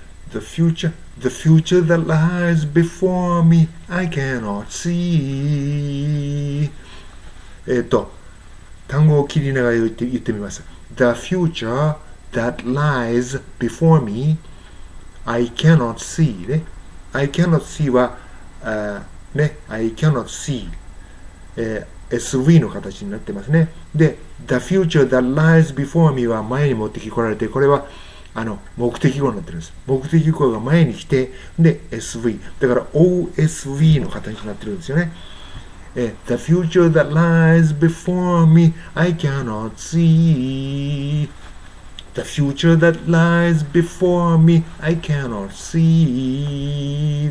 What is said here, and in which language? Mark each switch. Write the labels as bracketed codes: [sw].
[en] The future that lies before me, I cannot see. [ja] 単語を切りながら言ってみます。 [en] The future that lies before me, I cannot see. [ja] ね、 [en] I cannot see [ja] は、ね、I cannot see、SV の形になってますね。で、 [en] The future that lies before me [ja] は前に持ってこられて、これは目的語になってるんです。目的語が前に来て、で、SV。だから、OSV の形になってるんですよね。 [en] The future that lies before me, I cannot see.The future that lies before me, I cannot see.